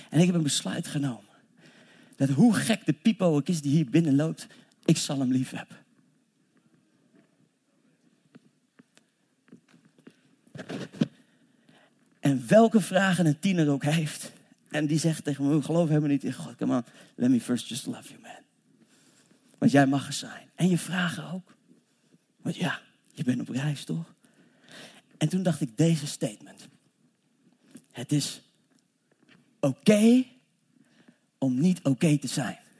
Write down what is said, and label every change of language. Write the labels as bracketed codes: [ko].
[nl] En ik heb een besluit genomen. Dat hoe gek de piepo ook is die hier binnen loopt, ik zal hem lief hebben. En welke vragen een tiener ook heeft. En die zegt tegen me, ik geloof helemaal niet in God. [en] Come on, let me first just love you, man. [nl] Want jij mag er zijn. En je vragen ook. Want ja, je bent op reis, toch? En toen dacht ik deze statement. Het is oké om niet oké te zijn.